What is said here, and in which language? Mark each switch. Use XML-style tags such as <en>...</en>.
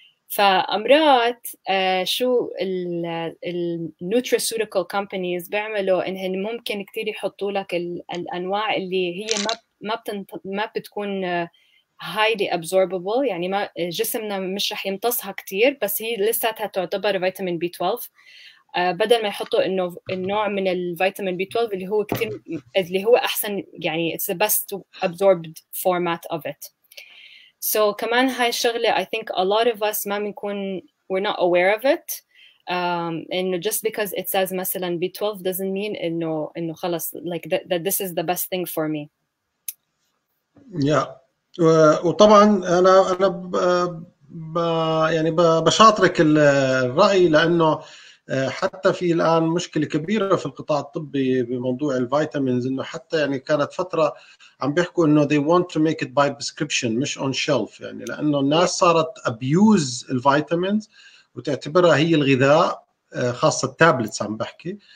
<ar>فأمرات شو الـ nutraceutical companies بيعملوا إنهم ممكن كتير يحطوا لك الأنواع اللي هي ما بتكون</ar> <en>highly absorbable،</en> <ar>يعني ما جسمنا مش رح يمتصها كتير، بس هي لساتها تعتبر فيتامين B12. بدل ما يحطوا إنه النوع من الفيتامين B12 اللي هو كتير اللي هو أحسن، يعني</ar> <en>it's the best absorbed format of it. So</en> <ar>كمان هاي الشغلة</ar> <en>I think a lot of us</en> <ar>ما بنكون</ar> <en>we're not aware of it. And just because it says</en> <ar>مثلا</ar> <en>B12 doesn't mean</en> <ar>إنه خلص</ar> <en>like that this is the best thing for me. Yeah.</en> <ar>وطبعا أنا يعني بشاطرك الرأي، لأنه حتى في الآن مشكلة كبيرة في القطاع الطبي بموضوع الفيتامينز، إنه حتى يعني كانت فترة عم بيحكوا إنه</ar> <en>they want to make it by prescription</en> <ar>مش</ar> <en>on shelf،</en> <ar>يعني لأنه الناس صارت abuse الفيتامينز وتعتبرها هي الغذاء، خاصة التابلتس عم بحكي.</ar>